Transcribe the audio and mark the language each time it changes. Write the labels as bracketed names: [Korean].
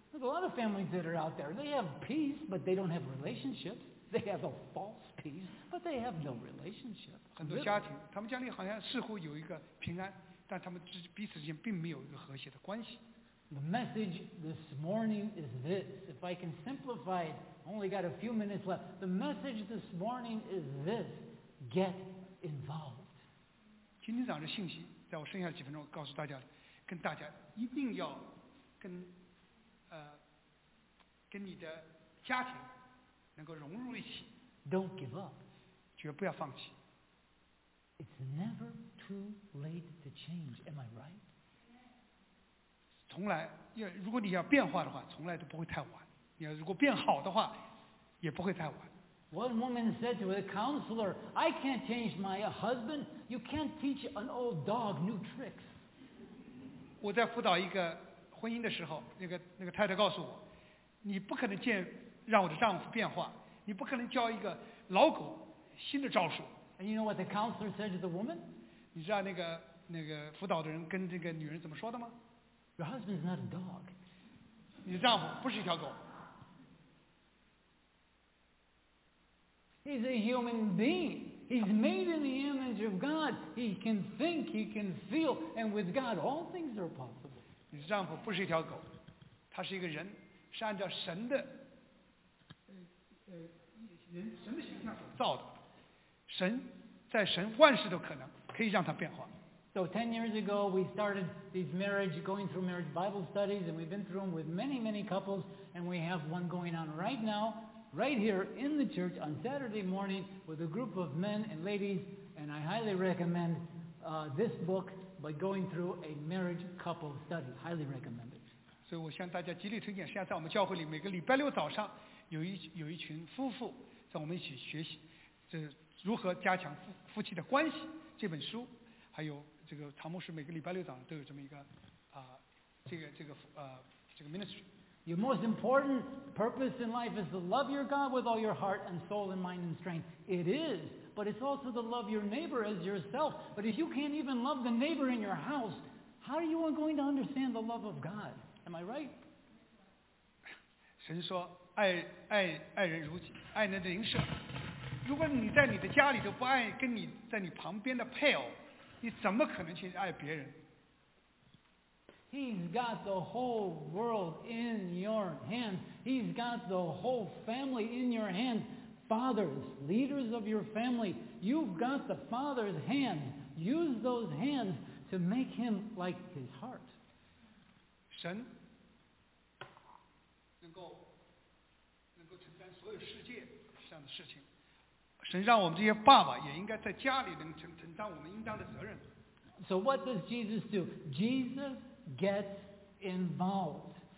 [English] There's a lot of families that are out there. They have peace, but they don't have relationships. They have a false peace, but they have no relationship. [Chinese] 很多家庭，他们家里好像似乎有一个平安，但他们彼此之间并没有一个和谐的关系。 [English] The message this morning is this. If I can simplify it, only got a few minutes left. The message this morning is this. Get involved. [Chinese] 今天早上的信息，在我剩下几分钟告诉大家，跟大家一定要跟跟你的家庭能够融入一起。 [English] Don't give up. [Chinese] 绝不要放弃。 [English] It's never too late to change. Am I right? [Chinese] 从来，如果你要变化的话，从来都不会太晚。你要如果变好的话，也不会太晚。 [English] One woman said to a counselor, I can't change my husband. You can't teach an old dog new tricks. [Chinese] 我在辅导一个婚姻的时候，那个太太告诉我，你不可能让我的丈夫变化，你不可能教一个老狗新的招数。 [English] And you know what the counselor said to the woman? [Chinese] 你知道那个辅导的人跟这个女人怎么说的吗？ [English] Your husband is not a dog. [Chinese] 你的丈夫不是一条狗。 [English] He's a human being. He's made in the image of God. He can think, he can feel, and with God, all things are possible. [Chinese] 你的丈夫不是一条狗，他是一个人，是按照神的，人神的形象所造的。神在神万事都可能，可以让他变化。 [English] So 10 years ago, we started these marriage, going through marriage Bible studies, and we've been through them with many, many couples, and we have one going on right now. Right here in the church on Saturday morning with a group of men and ladies, and I highly recommend this book by going through a marriage couple study. Highly recommend it. [Chinese] 所以我向大家极力推荐。现在在我们教会里，每个礼拜六早上有一群夫妇在我们一起学习，这如何加强夫妻的关系这本书，还有这个唐牧师每个礼拜六早上都有这么一个这个 ministry. [English] Your most important purpose in life is to love your God with all your heart and soul and mind and strength. It is, but it's also to love your neighbor as yourself. But if you can't even love the neighbor in your house, how are you going to understand the love of God? Am I right? [Chinese] 神说爱人如己，爱人的邻舍。如果你在你的家里都不爱跟你在你旁边的配偶，你怎么可能去爱别人？ [English] He's got the whole world in your hands. He's got the whole family in your hands. Fathers, leaders of your family, you've got the Father's hands. Use those hands to make him like his heart. [Chinese] 神能够承担所有世界上的事情。神让我们这些爸爸也应该在家里能承担我们应当的责任。 [English] So what does Jesus do? Jesus gets involved.